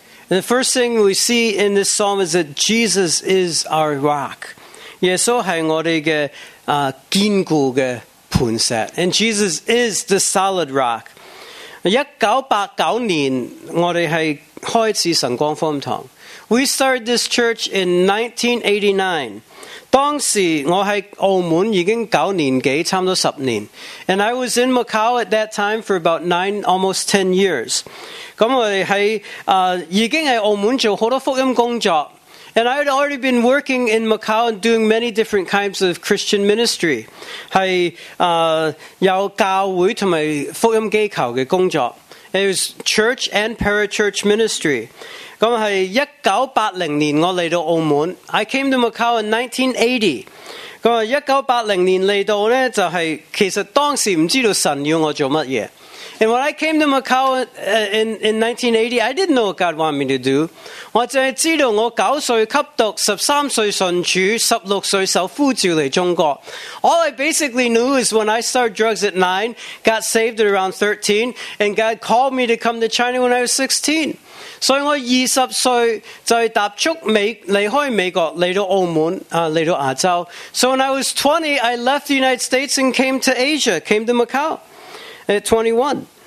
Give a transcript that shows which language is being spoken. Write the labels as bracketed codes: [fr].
[en] And the first thing we see in this psalm is that Jesus is our rock. [yue] 耶稣系我哋嘅坚固嘅磐石。 [en] And Jesus is the solid rock. [yue] 1989年我哋系开始神光福音堂。 [en] We started this church in 1989. [yue] 当时我在澳门已经9年多，差不多10年。 [en] And I was in Macau at that time for about almost 10 years. [yue] 咁我哋喺已经喺澳门做好多福音工作。 [en] And I had already been working in Macau and doing many different kinds of Christian ministry. [yue] 係有教会同埋福音机构嘅工作。 [en] It was church and parachurch ministry. [yue] 咁係1980年我嚟到澳門 [en] ，I came to Macau in 1980。 [yue] 咁啊，1980年嚟到咧，就係其實當時唔知道神要我做乜嘢。 [en] And when I came to Macau in 1980, I didn't know what God wanted me to do. [yue] 我只知道我九岁吸毒13岁信主16岁受苦召嚟中国. [en] All I basically knew is when I started drugs at 9, got saved at around 13, and God called me to come to China when I was 16. [yue] 所以我20岁就踏足美离开美国来到澳门来到亚洲. [en] So when I was 20, I left the United States and came to Asia, came to Macau at 21.